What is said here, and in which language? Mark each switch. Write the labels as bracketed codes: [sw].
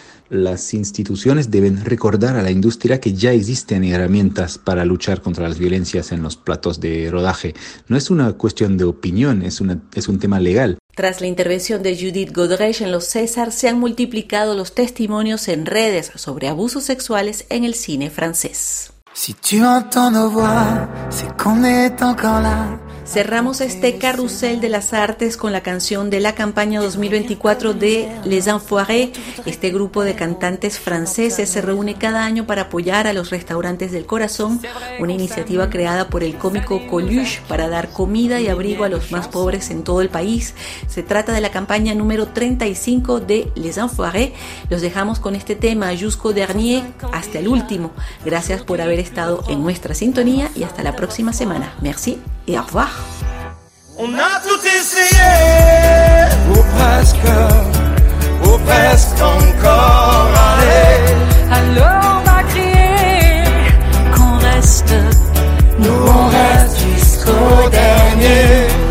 [es] Las instituciones deben recordar a la industria que ya existen herramientas para luchar contra las violencias en los platos de rodaje. No es una cuestión de opinión, es un tema legal. Tras la intervención de Judith Godrèche en los César, se han multiplicado los testimonios en redes sobre abusos sexuales en el cine francés. [fr] Si tu entends nos voix, c'est qu'on est encore là. [es] Cerramos este carrusel de las artes con la canción de la campaña 2024 de Les Enfoirés. Este grupo de cantantes franceses se reúne cada año para apoyar a los restaurantes del corazón, una iniciativa creada por el cómico Coluche para dar comida y abrigo a los más pobres en todo el país. Se trata de la campaña número 35 de Les Enfoirés. Los dejamos con este tema, Jusqu'au dernier, hasta el último. Gracias por haber estado en nuestra sintonía y hasta la próxima semana. [fr] Merci. Et au revoir. On a tout essayé, ou presque encore. Allez, alors on va crier qu'on reste, nous on reste jusqu'au dernier.